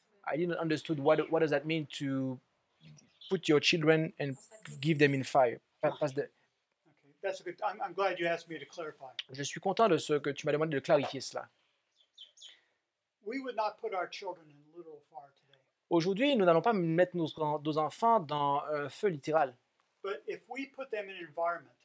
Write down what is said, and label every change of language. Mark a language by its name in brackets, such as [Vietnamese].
[English] I didn't understand what does that mean to put your children and give them in fire. Okay. That's a good. I'm glad you asked me to clarify. [French] Je suis content de ce que tu m'as demandé de clarifier cela. [English] We would not put our children in literal fire today. [French] Aujourd'hui, nous n'allons pas mettre nos enfants dans un feu littéral. [English] But if we put them in an environment.